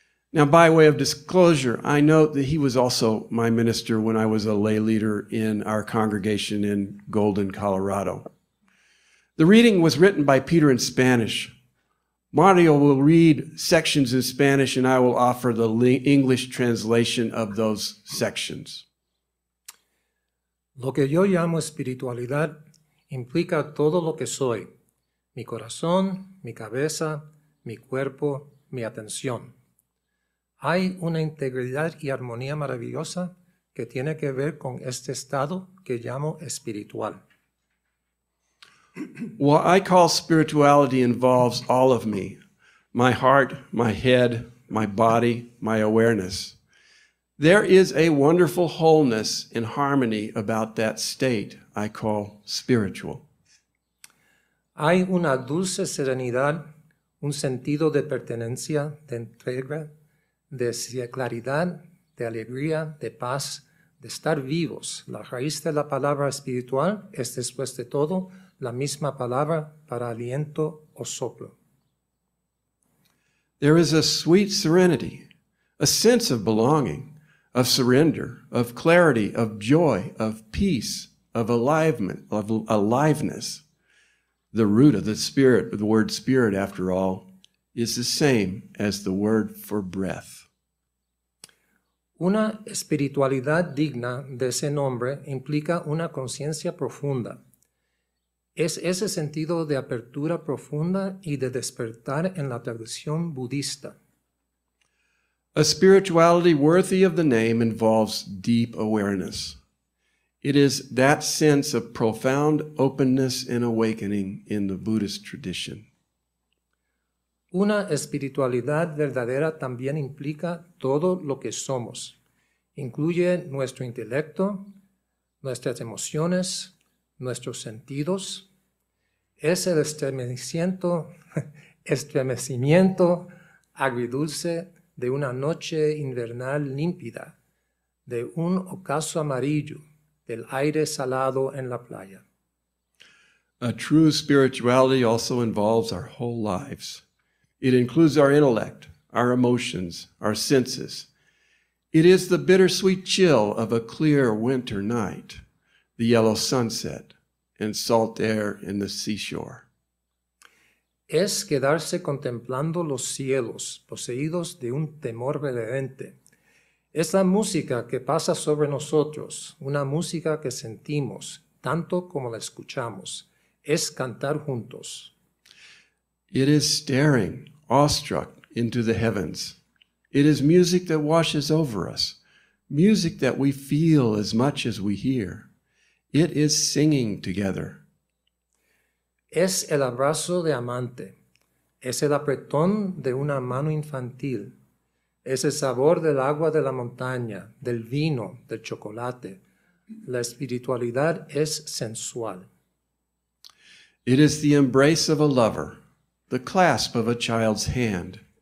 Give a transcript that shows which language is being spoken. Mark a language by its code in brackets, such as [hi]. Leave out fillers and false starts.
[en] Now, by way of disclosure, I note that he was also my minister when I was a lay leader in our congregation in Golden, Colorado. The reading was written by Peter in Spanish. Mario will read sections in Spanish, and I will offer the English translation of those sections. [es] Lo que yo llamo espiritualidad implica todo lo que soy, mi corazón, mi cabeza, mi cuerpo, mi atención. Hay una integridad y armonía maravillosa que tiene que ver con este estado que llamo espiritual. [en] What I call spirituality involves all of me, my heart, my head, my body, my awareness. There is a wonderful wholeness and harmony about that state I call spiritual. [es] Hay una dulce serenidad, un sentido de pertenencia, de entrega, de claridad, de alegría, de paz, de estar vivos. La raíz de la palabra espiritual es, después de todo, la misma palabra para aliento o soplo. [en] There is a sweet serenity, a sense of belonging, of surrender, of clarity, of joy, of peace, of alivement, of aliveness. The root of the spirit, the word spirit, after all, is the same as the word for breath. [es] Una espiritualidad digna de ese nombre implica una conciencia profunda. Es ese sentido de apertura profunda y de despertar en la tradición budista. [en] A spirituality worthy of the name involves deep awareness. It is that sense of profound openness and awakening in the Buddhist tradition. [es] Una espiritualidad verdadera también implica todo lo que somos. Incluye nuestro intelecto, nuestras emociones, nuestros sentidos. Es el estremecimiento agridulce de una noche invernal límpida, de un ocaso amarillo, del aire salado en la playa. [en] A true spirituality also involves our whole lives. It includes our intellect, our emotions, our senses. It is the bittersweet chill of a clear winter night, the yellow sunset, and salt air in the seashore. [es] Es quedarse contemplando los cielos, poseídos de un temor reverente. Es la música que pasa sobre nosotros, una música que sentimos, tanto como la escuchamos. Es cantar juntos. [en] It is staring, awestruck, into the heavens. It is music that washes over us, music that we feel as much as we hear. It is singing together. [es] Es el abrazo de amante. Es el apretón de una mano infantil. Es el sabor del agua de la montaña, del vino, del chocolate. La espiritualidad es sensual. [en] It is the embrace of a lover, the clasp of a child's hand.